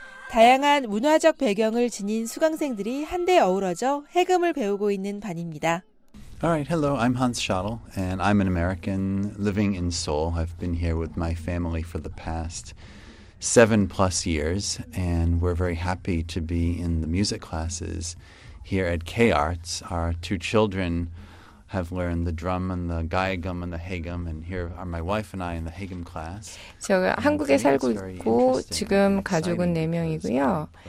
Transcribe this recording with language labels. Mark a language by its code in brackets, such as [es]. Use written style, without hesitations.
[ko] 다양한 문화적 배경을 지닌 수강생들이 한데 어우러져 해금을 배우고 있는 반입니다. [en] All right, hello. I'm Hans Schadl and I'm an American living in Seoul. I've been here with my family for the past 7+ years and we're very happy to be in the music classes here at K-Arts. Our two children have learned the drum and the gaegeum and the haegeum and here are my wife and I in the haegeum class. [ko] 제가 한국에 살고 있고 지금 가족은 네 명이고요.